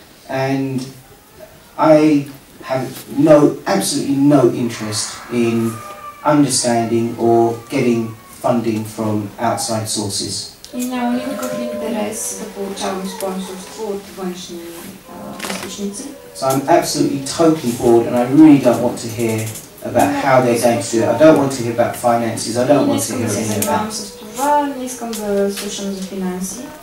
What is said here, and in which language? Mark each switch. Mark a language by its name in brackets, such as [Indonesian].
[English] And I have absolutely no interest in understanding or getting funding from outside sources. [Bulgarian] И нямам никакъв интерес да получавам спонсорство от външни източници. [English] So I'm absolutely totally bored and I really don't want to hear about how they're going to do it. I don't want to hear about finances, I don't want to hear anything about that. [Bulgarian] Не искам да слушам за финанси.